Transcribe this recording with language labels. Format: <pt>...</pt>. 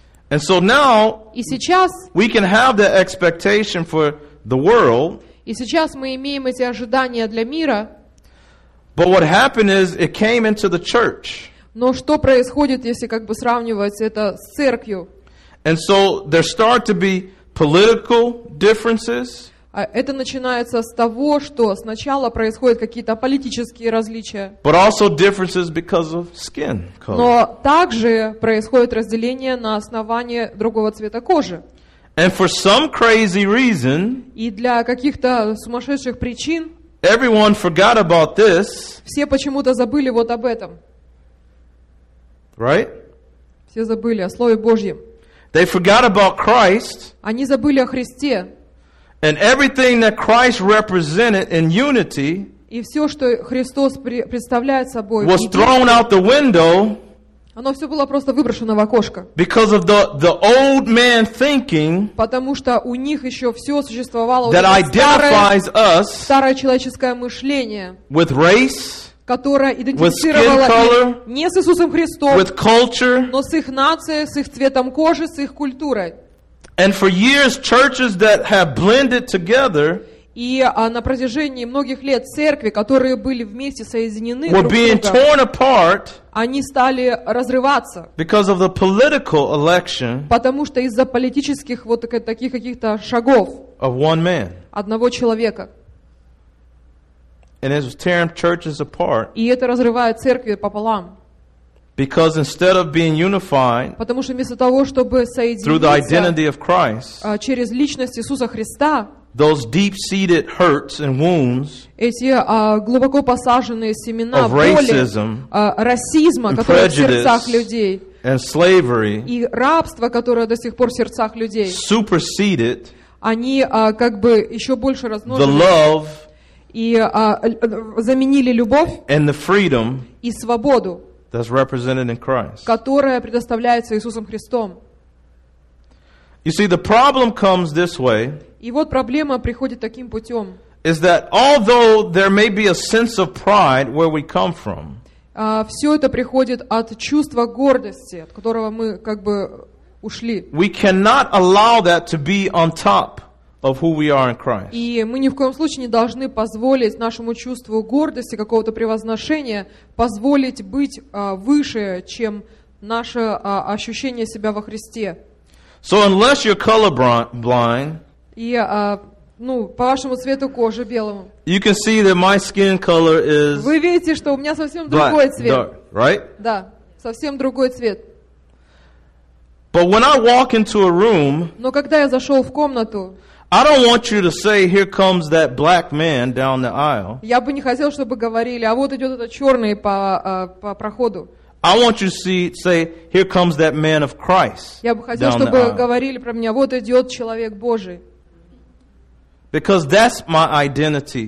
<en>And so now,</en> <ru>и сейчас,</ru> <en>we can have the expectation for the world,</en> <ru>и сейчас мы имеем эти ожидания для мира.</ru> <en>But what happened is it came into the church.</en> <ru>Но что происходит, если как бы сравнивать это с церковью?</ru> <en>And so there start to be political differences.</en> <ru>Это начинается с того, что сначала происходят какие-то политические различия.</ru> <en>But also differences because of skin color.</en> <ru>Но также происходит разделение на основании другого цвета кожи.</ru> <en>And for some crazy reason.</en> <ru>И для каких-то сумасшедших причин.</ru> <en>Everyone forgot about this.</en> <ru>Все почему-то забыли вот об этом.</ru> <en>Right?</en> <ru>Все забыли о Слове Божьем.</ru> <en>They forgot about Christ.</en> <ru>Они забыли о Христе.</ru> <en>And everything that Christ represented in unity.</en> <ru>И все, что Христос представляет собой.</ru> <en>Was thrown out the window.</en> <ru>Оно все было просто выброшено в окошко.</ru> <en>Because of the old man thinking,</en> <ru>потому что у них еще все существовало</ru> <en>that identifies us,</en> <ru>старое человеческое мышление,</ru> <en>with race,</en> <ru>которое идентифицировало</ru> <en>with skin color,</en> <ru>не с Иисусом Христом,</ru> <en>with culture,</en> <ru>но с их нацией, с их цветом кожи, с их культурой.</ru> <en>And for years, churches that have blended together,</en> <ru>и на протяжении многих лет церкви, которые были вместе соединены</ru> <en>were</en> <ru>друг</ru> <en>being</en> <ru>друга,</ru> <en>torn apart,</en> <ru>они стали разрываться.</ru> <en>Because of the political election,</en> <ru>потому что из-за политических вот таких каких-то шагов</ru> <en>of one man.</en> <ru>Одного человека.</ru> <en>And it was tearing churches apart,</en> <ru>и это разрывает церкви пополам.</ru> <en>Because instead of being unified,</en> <ru>потому что вместо того, чтобы соединиться</ru> <en>through the identity of Christ,</en> <ru>через личность Иисуса Христа,</ru> <en>those deep-seated hurts and wounds,</en> <ru>эти глубоко посаженные семена</ru> <en>of racism,</en> <ru>расизма, которые в сердцах людей,</ru> <en>and slavery,</en> <ru>и рабство, которое до сих пор в сердцах людей,</ru> <en>superseded,</en> <ru>они как бы еще больше размножились,</ru> <en>the love,</en> <ru>и заменили любовь,</ru> <en>and the freedom,</en> <ru>и свободу,</ru> <en>that's represented in Christ,</en> <ru>которая предоставляется Иисусом Христом.</ru> <en>You see, the problem comes this way.</en> <ru>И вот проблема приходит таким путем.</ru> <en>Is that although there may be a sense of pride where we come from?</en> <ru>Все это приходит от чувства гордости, от которого мы как бы ушли.</ru> <en>We cannot allow that to be on top of who we are in Christ.</en> <ru>И мы ни в коем случае не должны позволить нашему чувству гордости, какого-то превозношения, позволить быть выше, чем наше ощущение себя во Христе.</ru> <en>So unless you're colorblind,</en> <ru>по вашему цвету кожи белому,</ru> <en>you can see that my skin color is</en> <ru>вы видите, что у меня совсем другой цвет.</ru> <en>Dark, right?</en> <ru>Да, совсем другой цвет.</ru> <en>But when I walk into a room,</en> <ru>но когда я зашел в комнату,</ru> <en>I don't want you to say, "Here comes that black man down the aisle."</en> <ru>Я бы не хотел, чтобы говорили, а вот идет этот черный по проходу.</ru> <en>I want you to say, "Here comes that man of Christ."</en> <ru>Я бы хотел, чтобы говорили про меня, вот идет человек Божий.</ru> <en>Because that's my identity.</en>